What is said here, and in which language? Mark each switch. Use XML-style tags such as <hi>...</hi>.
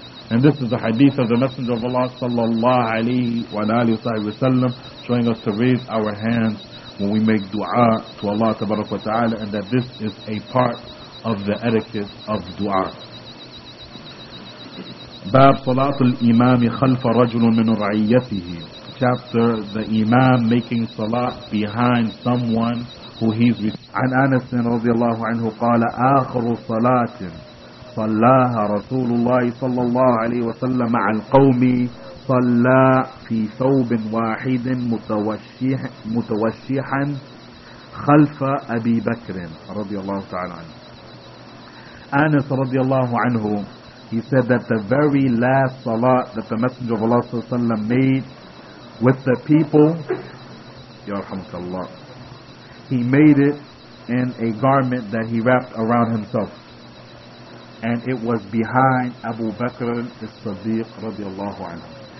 <en>And this is the hadith of the Messenger of Allah sallallahu alayhi wa alayhi wa sallam, showing us to raise our hands when we make dua to Allah tabaraka wa ta'ala, and that this is a part of the etiquette of dua.</en> <ar>Bab Salatul Imam Khalfa Rajulun Min Ra'iyatihi.</ar> <en>Chapter, the Imam making salat behind someone who he's with.</en> <ar>عن أنس رضي الله عنه قال آخر صلاة صلاها رسول الله صلى الله عليه وسلم مع القوم صلى في ثوب واحد متوشحا خلف أبي بكر رضي الله تعالى عنه.</ar> <en>أنس رضي الله عنه, he said that the very last salat that the Messenger of Allah صلى الله عليه وسلم made with the people,</en> <ar>يرحمك الله,</ar> <en>he made it in a garment that he wrapped around himself, and it was behind Abu Bakr al-Siddiq radiallahu anhu.</en>